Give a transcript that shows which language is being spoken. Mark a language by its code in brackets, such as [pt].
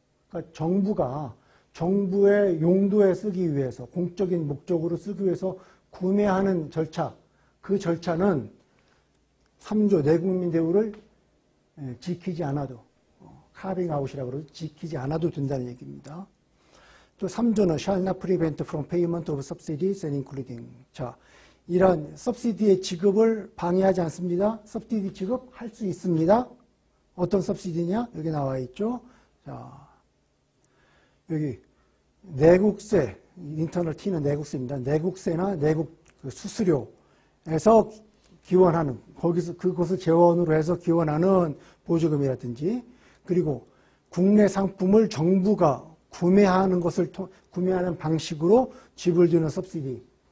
[ko] 그러니까 정부의 용도에 쓰기 위해서 공적인 목적으로 쓰기 위해서 구매하는 절차 그 절차는 3조 내국민 대우를 지키지 않아도 카빙 아웃이라고 그러죠. 지키지 않아도 된다는 얘기입니다. 또 3조는 [en] shall not prevent from payment of subsidies and including. [ko] 자, 이런 서비디의 지급을 방해하지 않습니다. 서비디 지급 할 수 있습니다. 어떤 서비디냐? 여기 나와 있죠. 자, 여기 내국세, 인터널 T는 내국세입니다. 내국세나 내국 수수료에서 기원하는, 거기서 그곳을 재원으로 해서 기원하는 보조금이라든지 그리고 국내 상품을 정부가 구매하는 방식으로 지불되는 서비디,